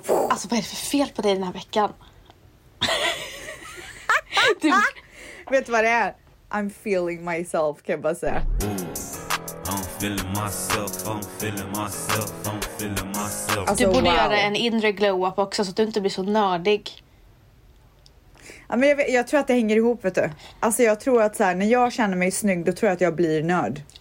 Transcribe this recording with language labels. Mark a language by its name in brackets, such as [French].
[Swedish] Alltså, vad är det för fel på dig den här veckan? Du. Vet du vad det är? [English] I'm feeling myself, [Swedish] kan jag bara säga. [English] feeling myself, I'm feeling myself, I'm feeling myself. [Swedish] Alltså, du borde göra en inre glow-up också så att du inte blir så nördig. Ja, men jag tror att det hänger ihop, vet du. Alltså jag tror att så här, när jag känner mig snygg, då tror jag att jag blir nörd.